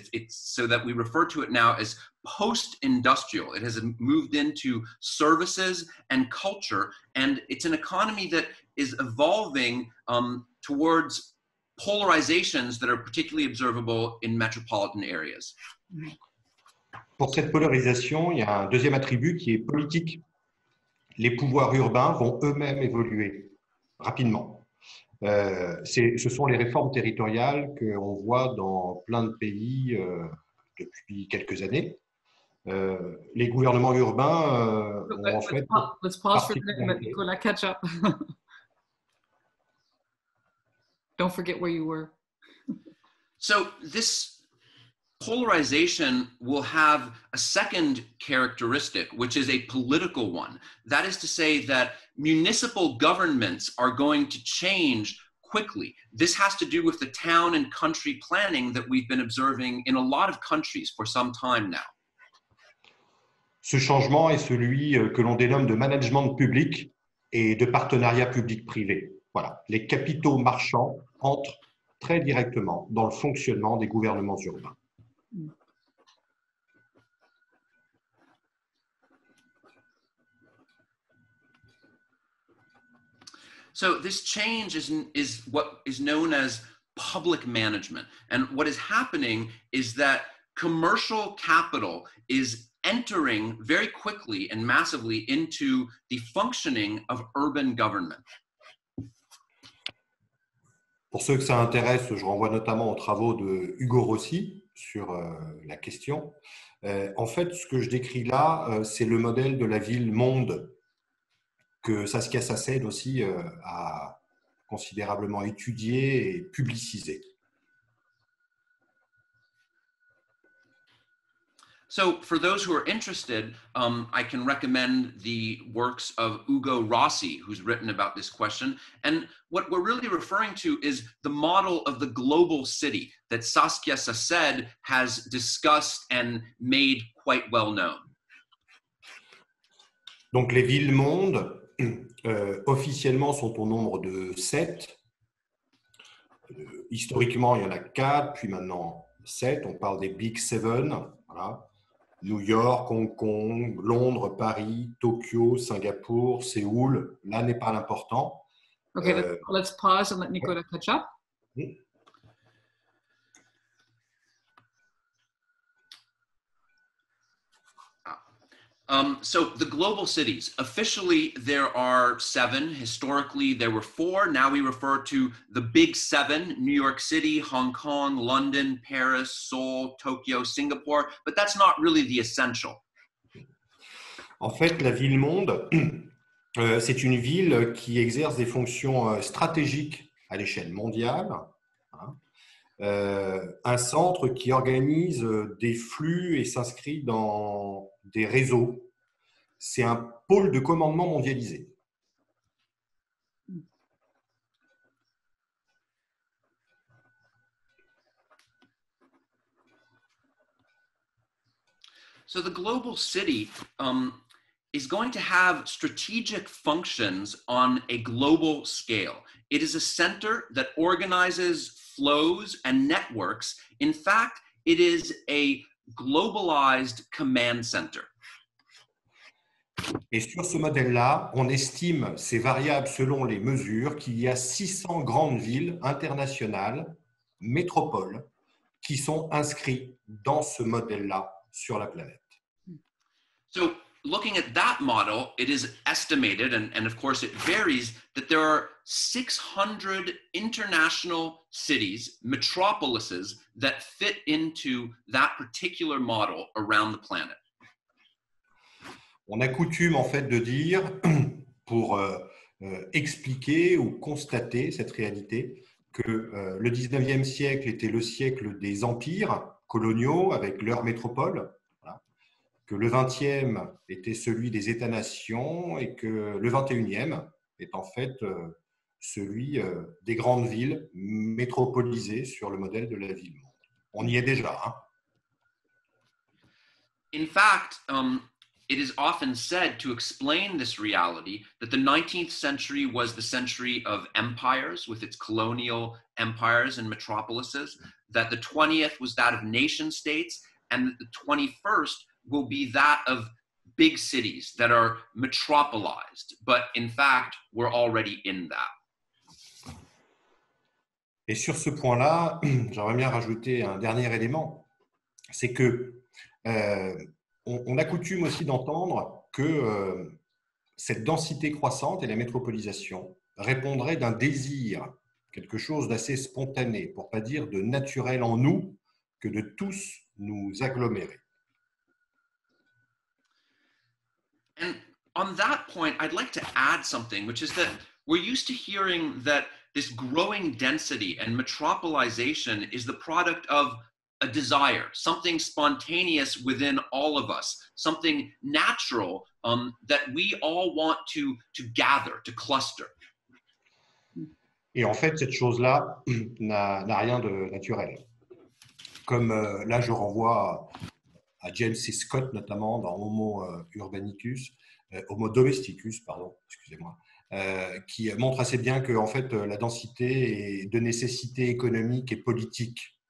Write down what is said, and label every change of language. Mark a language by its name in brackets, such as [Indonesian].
[English] It's so that we refer to it now as post-industrial. It has moved into services and culture, and it's an economy that is evolving towards polarizations that are particularly observable in metropolitan areas. [French] Pour cette polarisation, il y a un deuxième attribut qui est politique. Les pouvoirs urbains vont eux-mêmes évoluer rapidement. Ce sont les réformes territoriales qu'on voit dans plein de pays depuis quelques années. Les gouvernements urbains ont en fait... [English] Let's pause for a minute, let Nicola catch up. Don't forget where you were. So this... polarization will have a second characteristic, which is a political one. That is to say that municipal governments are going to change quickly. This has to do with the town and country planning that we've been observing in a lot of countries for some time now. [French] Ce changement est celui que l'on dénomme de management public et de partenariat public-privé. Voilà, les capitaux marchands entrent très directement dans le fonctionnement des gouvernements urbains. [English] So this change is what is known as public management. And what is happening is that commercial capital is entering very quickly and massively into the functioning of urban government. [French] Pour ceux que ça intéresse, je renvoie notamment aux travaux de Hugo Rossi sur la question. En fait, ce que je décris là, c'est le modèle de la ville-monde que Saskia Sassen aussi a considérablement étudié et publicisé. [English] So, for those who are interested, I can recommend the works of Hugo Rossi, who's written about this question. And what we're really referring to is the model of the global city that Saskia Sassen has discussed and made quite well known. [French] Donc, les villes-mondes, officiellement, sont au nombre de 7. Historiquement, il y en a 4, puis maintenant 7. On parle des Big 7, voilà. New York, Hong Kong, Londres, Paris, Tokyo, Singapour, Séoul, là n'est pas l'important. [English] Okay, let's pause and let Nicola catch up. So the global cities, officially there are 7, historically there were 4, now we refer to the big 7, New York City, Hong Kong, London, Paris, Seoul, Tokyo, Singapore, but that's not really the essential. [French] En fait, la ville-monde, c'est une ville qui exerce des fonctions stratégiques à l'échelle mondiale, un centre qui organise des flux et s'inscrit dans des réseaux. C'est un pôle de commandement mondialisé. [English] So the global city is going to have strategic functions on a global scale. It is a center that organizes flows and networks. In fact, it is a globalized command center. [French] Et sur ce modèle-là, on estime, c'est variable selon les mesures, qu'il y a 600 grandes villes internationales, métropoles, qui sont inscrites dans ce modèle-là sur la planète. [English] So, looking at that model, it is estimated, and of course it varies, that there are 600 international cities, metropolises, that fit into that particular model around the planet. [French] On a coutume en fait de dire pour expliquer ou constater cette réalité que le 19e siècle était le siècle des empires coloniaux avec leur métropole, voilà, que le 20e était celui des États-nations et que le 21e est en fait celui des grandes villes métropolisées sur le modèle de la ville-monde. On y est déjà, hein. [English] In fact, it is often said to explain this reality that the 19th century was the century of empires with its colonial empires and metropolises, that the 20th was that of nation states, and that the 21st will be that of big cities that are metropolized. But in fact, we're already in that. [French] Et sur ce point-là, j'aimerais bien rajouter un dernier élément, c'est que on a coutume aussi d'entendre que cette densité croissante et la métropolisation répondraient d'un désir, quelque chose d'assez spontané, pour ne pas dire de naturel en nous, que de tous nous agglomérer. [English] And on that point, I'd like to add something, which is that we're used to hearing that this growing density and metropolization is the product of a desire, something spontaneous within all of us, something natural that we all want to gather, to cluster. [French] Et en fait, cette chose-là n'a rien de naturel. Comme là, je renvoie à James C. Scott, notamment, dans Homo Urbanicus, Homo Domesticus, pardon, excusez-moi, qui montre assez bien que en fait, la densité est de nécessité économique et politique.